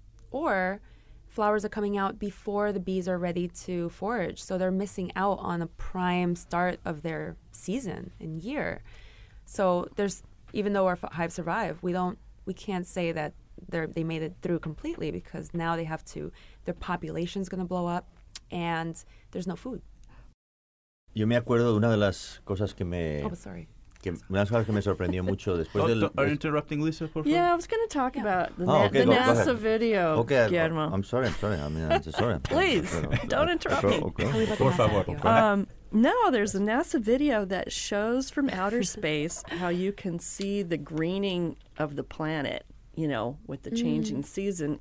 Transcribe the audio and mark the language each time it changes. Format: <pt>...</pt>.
<en>Or flowers are coming out before the bees are ready to forage, so they're missing out on a prime start of their season and year. So there's, even though our hives survive, we can't say that they made it through completely, because now they have to, their population's going to blow up and there's no food.</en> <es>Yo me acuerdo de una de las cosas que me...</es> <en>Oh, sorry.</en> <es>Una cosa que me sorprendió mucho después del...</es> <en>Are you interrupting Lisa,</en> <es>por favor?</es> <en>Yeah, I was going to talk about NASA video, okay, Guillermo. I'm sorry. I'm sorry. Please, don't interrupt me.</en> <es>Por favor.</es> <en>No, there's a NASA video that shows from outer space how you can see the greening of the planet, you know, with the changing season.</en>